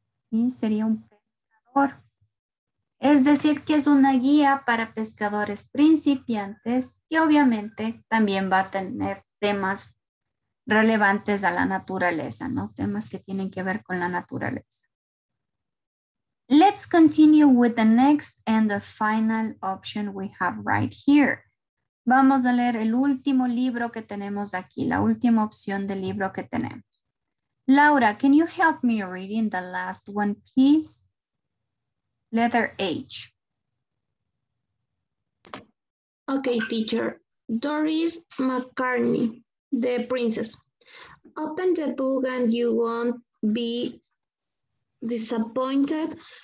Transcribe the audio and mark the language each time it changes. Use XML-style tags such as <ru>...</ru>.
<es>¿Sí? Sería un pescador. Es decir, que es una guía para pescadores principiantes y obviamente también va a tener temas relevantes a la naturaleza, ¿no? Temas que tienen que ver con la naturaleza.</es> <en>Let's continue with the next and the final option we have right here.</en> <es>Vamos a leer el último libro que tenemos aquí, la última opción del libro que tenemos.</es> <en>Laura, can you help me reading the last one, please? Letter H. Okay, teacher. Doris McCartney, the princess. Open the book and you won't be disappointed.</en>